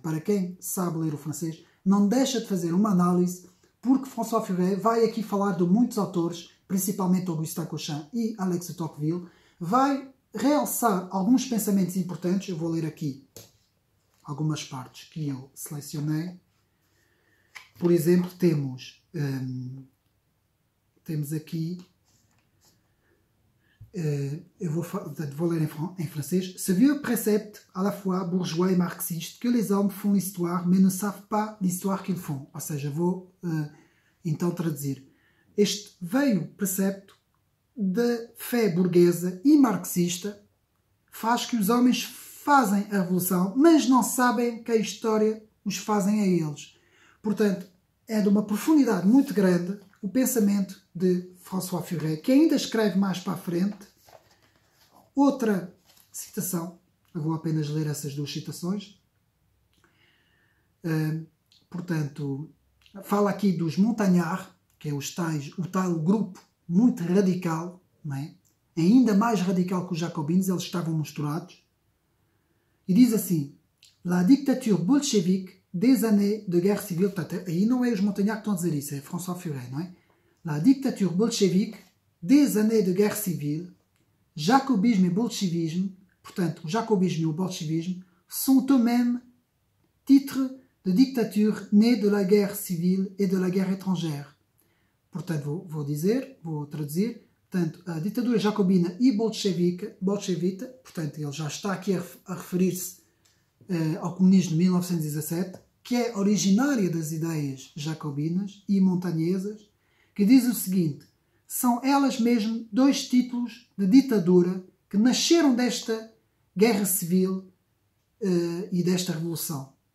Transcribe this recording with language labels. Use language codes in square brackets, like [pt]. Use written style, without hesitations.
[pt] Para quem sabe ler o francês, não deixa de fazer uma análise, porque François Furet vai aqui falar de muitos autores, principalmente Augustin Cochin e Alex de Tocqueville, vai realçar alguns pensamentos importantes. Eu vou ler aqui algumas partes que eu selecionei. Por exemplo, temos, temos aqui, eu vou ler em francês. [fr] Ce vieux précepte à la fois bourgeois et marxiste que les hommes font l'histoire mais ne savent pas l'histoire qu'ils font. [pt] Ou seja, vou então traduzir. Este velho precepto da fé burguesa e marxista faz que os homens fazem a revolução, mas não sabem que a história os fazem a eles. Portanto, é de uma profundidade muito grande o pensamento de François Furet, que ainda escreve mais para a frente. Outra citação, eu vou apenas ler essas duas citações. Portanto, fala aqui dos Montagnards, que é o tal grupo muito radical, não é? Ainda mais radical que os jacobinos, eles estavam misturados. E diz assim: [fr] La dictature bolchevique des années de guerre civile. [pt] Portanto, aí não é os Montagnards que estão a dizer isso, é François Furet, não é? [fr] La dictature bolchevique des années de guerre civile, jacobisme e bolchevisme, [pt] portanto, o jacobisme e o bolchevisme, [fr] sont eux-mêmes titres de dictature nés de la guerre civile et de la guerre étrangère. [pt] Portanto, vou traduzir, portanto, a ditadura jacobina e bolchevita, portanto, ele já está aqui a referir-se ao comunismo de 1917, que é originária das ideias jacobinas e montanhesas, que diz o seguinte: são elas mesmo dois títulos de ditadura que nasceram desta guerra civil e desta revolução.